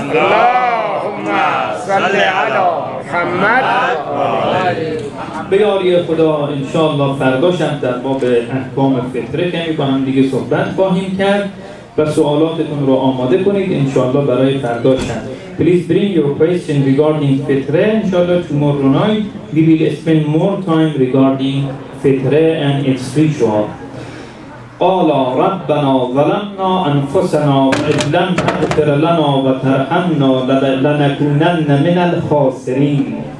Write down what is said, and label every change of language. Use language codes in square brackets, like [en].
[ar] اللهم صل علی محمد و آل محمد. [fa] به یاری خدا انشاءالله فردا شب در باب احکام فطره کمی با هم دیگه صحبت خواهیم کرد و سوالاتتون رو آماده کنید انشاءالله برای فردا شب. [en] Please bring your question regarding fitre انشاءالله tomorrow night. We will spend more time regarding fitre and its ritual. [ar] قالا ربنا ظلمنا انفسنا وإن لم تغفر لنا وترحمنا لنكونن من الخاسرین.